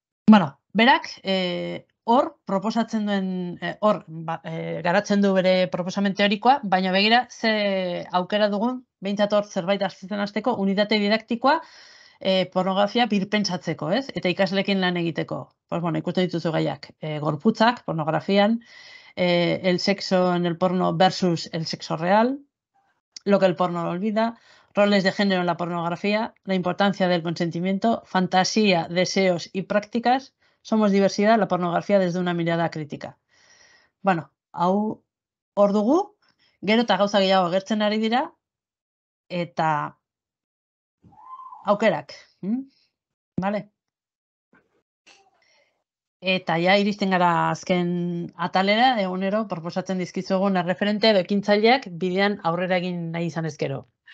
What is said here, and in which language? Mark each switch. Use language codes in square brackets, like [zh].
[eu] Bueno, berak hor proposatzen duen hor garatzen du bere proposamen teorikoa, baina begira ze aukera dugun behintzat hor zerbait hartzen hasteko unitate didaktikoa pornografia birpentsatzeko, ez? Eta ikasleekin lan egiteko. [es] Pues bueno, [eu] ikusten dituzu gaiak, gorputzak pornografian, [es] el sexo en el porno versus el sexo real, lo que el porno olvida, roles de género en la pornografía, la importancia del consentimiento, fantasía, deseos y prácticas, somos diversidad, la pornografía desde una mirada crítica. [eu] Bueno, hau hor dugu, gero eta gauza gehiago agertzen ari dira, eta aukerak. Vale? Eta ja, iristen gara azken atalera, egunero, proposatzen dizkizugun erreferente edo ekintzaileak bidean aurrera egin nahi izan ezkero.